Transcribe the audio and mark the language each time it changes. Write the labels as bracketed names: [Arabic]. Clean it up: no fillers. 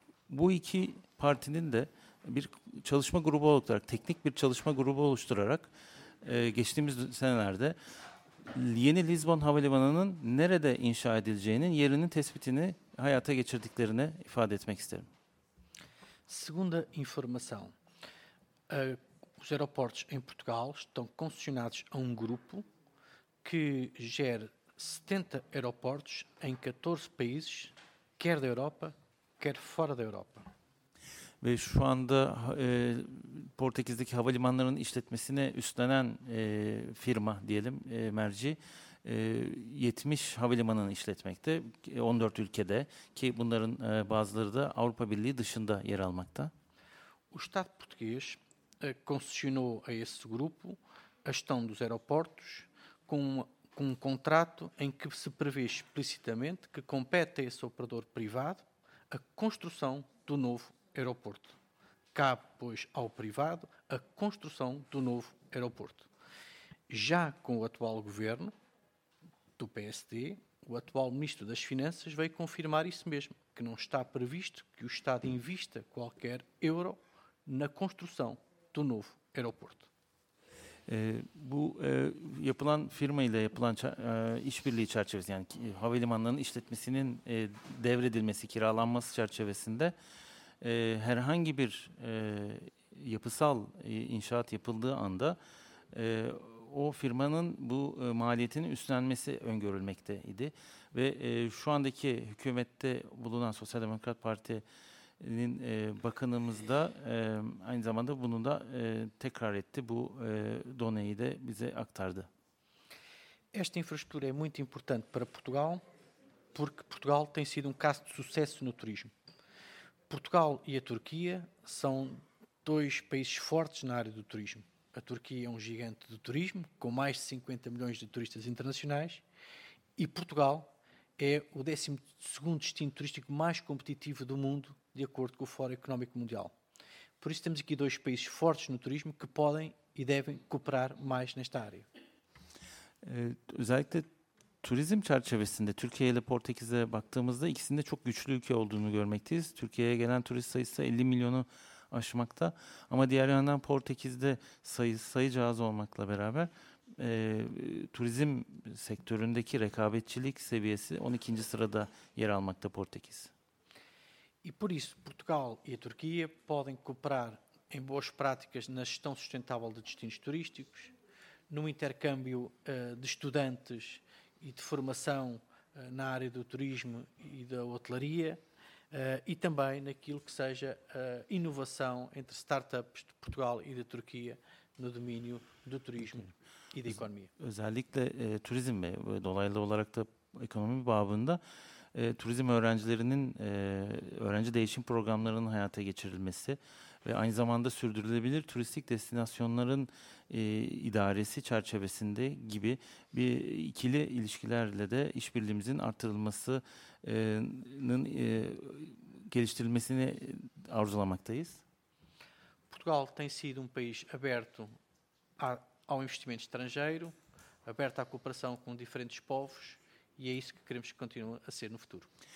[Turkish] Bu iki partinin de bir çalışma grubu olarak, teknik bir çalışma grubu oluşturarak geçtiğimiz senelerde yeni Lisbon Havalimanı'nın nerede inşa edileceğinin yerinin tespitini hayata geçirdiklerini ifade etmek isterim. [Portuguese] Segunda informação. Os aeroportos em Portugal estão concessionados a grupo que gere 70 aeroportos em 14 países, quer da Europa, quer fora da Europa. [Turkish] Ve şu anda Portekiz'deki havalimanlarının işletmesini üstlenen firma diyelim, merci, 70 havalimanını işletmekte, 14 ülkede ki bunların bazıları da Avrupa Birliği dışında yer almakta. [Portuguese] O Estado português concessionou a esse grupo a gestão dos aeroportos com um contrato em que se prevê explicitamente que compete a esse operador privado a construção do novo aeroporto. Cabe, pois, ao privado a construção do novo aeroporto. Já com o atual governo do PSD, o atual Ministro das Finanças veio confirmar isso mesmo, que não está previsto que o Estado invista qualquer euro na construção do novo aeroporto. [Turkish] Bu yapılan firma ile yapılan işbirliği çerçevesi, yani havalimanının işletmesinin devredilmesi, kiralanması çerçevesinde herhangi bir yapısal inşaat yapıldığı anda o firmanın bu maliyetinin üstlenmesi öngörülmekteydi. Ve şu andaki hükümette bulunan Sosyal Demokrat Parti'nin bakanımız da aynı zamanda bunu da tekrar etti. Bu doneyi de bize aktardı. [Portuguese] Esta infraestrutura é muito importante para Portugal, porque Portugal tem sido caso de sucesso no turismo. Portugal e a Turquia são dois países fortes na área do turismo. A Turquia é gigante do turismo, com mais de 50 milhões de turistas internacionais, e Portugal é o 12º destino turístico mais competitivo do mundo, de acordo com o Fórum Económico Mundial. Por isso temos aqui dois países fortes no turismo que podem e devem cooperar mais nesta área. [Turkish] Özellikle turizm çerçevesinde Türkiye ile Portekiz'e baktığımızda ikisinde çok güçlü ülke olduğunu görmekteyiz. Türkiye'ye gelen turist sayısı 50 milyonu aşmakta. Ama diğer yandan Portekiz'de sayıca az olmakla beraber turizm sektöründeki rekabetçilik seviyesi 12. sırada yer almakta Portekiz. [Portuguese] E por isso, Portugal e a Turquia podem cooperar em boas práticas na gestão sustentável de destinos turísticos, no intercâmbio de estudantes e de formação na área do turismo e da hotelaria, e também naquilo que seja a inovação entre startups de Portugal e da Turquia no domínio do turismo e da economia. [Turkish] Özellikle turizm ve dolaylı olarak da ekonomi babında turizm öğrencilerinin öğrenci değişim programlarının hayata geçirilmesi ve aynı zamanda sürdürülebilir turistik destinasyonların idaresi çerçevesinde gibi bir ikili ilişkilerle de işbirliğimizin artırılmasının geliştirilmesini arzulamaktayız. [Portuguese] Portugal tem sido país aberto ao investimento estrangeiro, aberto à cooperação com diferentes povos e é isso que queremos que continue a ser no futuro.